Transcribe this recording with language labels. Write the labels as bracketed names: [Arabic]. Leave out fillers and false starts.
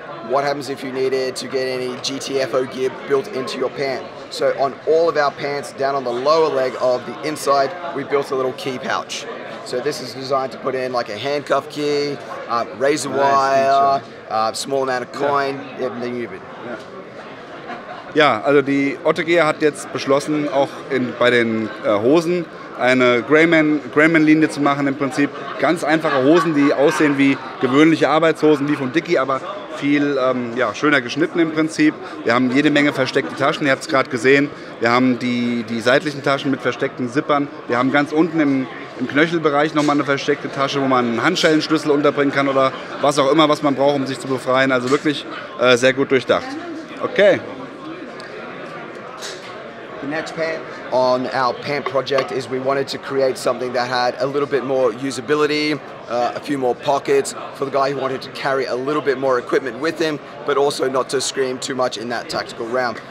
[English] what happens if you needed to get any GTFO gear built into your pant. So on all of our pants, down on the lower leg of the inside, we built a little key pouch. So this is designed to put in like a handcuff key, razor wire, small amount of coin, everything you need. [German] Ja, also die Otte Gear hat jetzt beschlossen, auch bei den Hosen eine Grayman-Linie zu machen. Im Prinzip ganz einfache Hosen, die aussehen wie gewöhnliche Arbeitshosen, wie von Dickie, aber viel schöner geschnitten im Prinzip. Wir haben jede Menge versteckte Taschen, ihr habt es gerade gesehen. Wir haben die seitlichen Taschen mit versteckten Zippern. Wir haben ganz unten im Knöchelbereich nochmal eine versteckte Tasche, wo man einen Handschellenschlüssel unterbringen kann oder was auch immer, was man braucht, um sich zu befreien. Also wirklich sehr gut durchdacht. Okay. [English] The next pant on our pant project is we wanted to create something that had a little bit more usability, a few more pockets for the guy who wanted to carry a little bit more equipment with him, but also not to scream too much in that tactical realm.